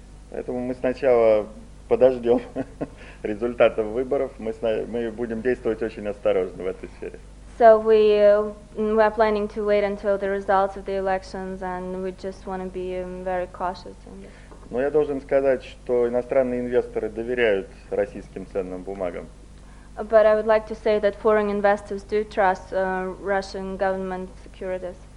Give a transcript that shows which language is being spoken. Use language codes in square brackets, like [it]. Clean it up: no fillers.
[ru] Поэтому мы сначала подождем результатов выборов. Мы будем действовать очень осторожно в этой сфере. [en] So we are planning to wait until the results of the elections, and we just want to be very cautious. [ru] Но я должен сказать, что иностранные инвесторы доверяют российским ценным бумагам. [en] But I would like to say that foreign investors do trust Russian government securities.